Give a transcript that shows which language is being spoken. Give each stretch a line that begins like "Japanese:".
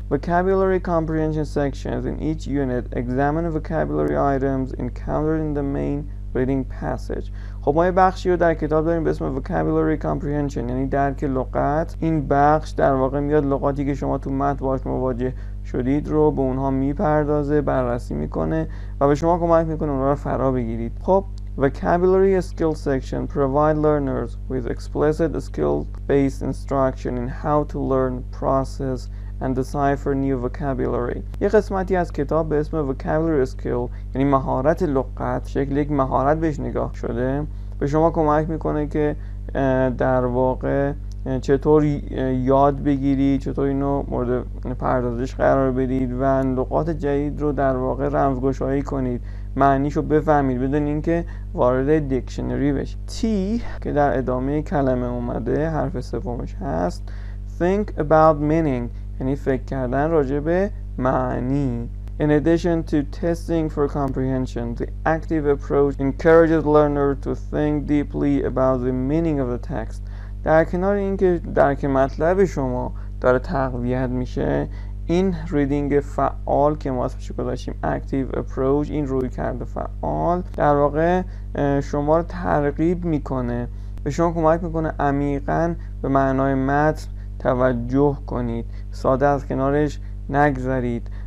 English: Vocabulary comprehension sections in each unit examine vocabulary items encountered in the main reading passage.
Persian: خب ما یه بخشی رو در کتاب داریم به اسم Vocabulary Comprehension، یعنی درک لغت. این بخش در واقع میاد لغاتی که شما تو متن باهاش مواجه شدید رو به اونها میپردازه، بررسی میکنه و به شما کمک میکنه اونها رو فرا بگیرید.
English: خب Vocabulary Skill Section provide learners with explicit skill-based instruction in how to learn, process and decipher new vocabulary.
Persian: یه قسمتی از کتاب به اسم Vocabulary Skill، یعنی مهارت لغت، شکل یک مهارت بهش نگاه شده، به شما کمک میکنه که در واقع چطور یاد بگیرید، چطور اینو مورد پردازش قرار بدید و لغات جدید رو در واقع رمزگشایی کنید معنیشو بفهمید، بدونین که وارد دیکشنری بشید. تی که در ادامه کلمه اومده حرف سومش هست،
English: think about meaning
Persian: یعنی فکر کردن راجع به معنی.
English: In addition to testing for comprehension, the active approach encourages learner to think deeply about the meaning of the text.
Persian: در کنار اینکه درک مطلب شما داره تقویت میشه، این ریدینگ فعال که ما اسمش گذاشتیم active approach، این روی کرده فعال در واقع شما رو ترغیب میکنه، به شما کمک میکنه عمیقا به معنای متن توجه کنید، ساده از کنارش نگذرید.